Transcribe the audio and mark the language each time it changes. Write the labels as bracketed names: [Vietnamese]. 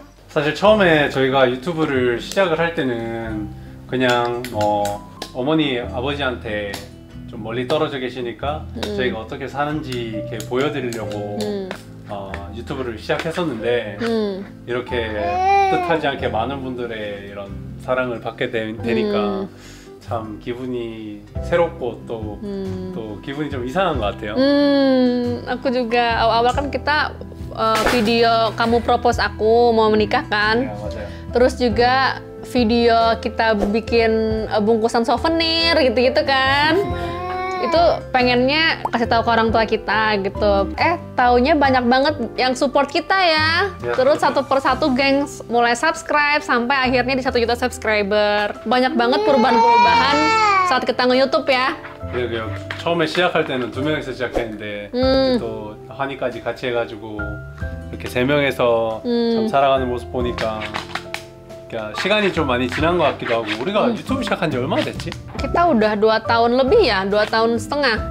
[Korean] 사실 처음에 저희가 유튜브를 시작을 할 때는 그냥 뭐 어머니 아버지한테 좀 멀리 떨어져 계시니까 저희가 어떻게 사는지 이렇게 보여드리려고 유튜브를 시작했었는데 이렇게 뜻하지 않게 많은 분들의 이런 사랑을 받게 되니까 참 기분이 새롭고 또 기분이 좀 이상한 것 같아요. [Indonesian] Aku juga awal-awal kan kita video kamu propose aku mau menikah kan. [Korean] Yeah, 맞아요. [Indonesian] Terus juga video kita bikin bungkusan souvenir gitu-gitu kan. Itu pengennya kasih tahu ke orang tua kita gitu. Taunya banyak banget yang support kita ya. Terus satu per satu gengs mulai subscribe sampai akhirnya di 1 juta subscriber. Banyak banget perubahan-perubahan saat kita nge-YouTube ya. Iya, iya. [Korean] 처음에 시작할 때는 두 명이서 시작했는데 또 하니까지 같이 해 가지고 이렇게 세 명에서 참 살아가는 모습 보니까 그러니까 시간이 좀 많이 지난 것 같기도 하고 우리가 유튜브 시작한 지 얼마나 됐지? [Indonesian] Kita udah 2 tahun lebih ya, 2 tahun setengah.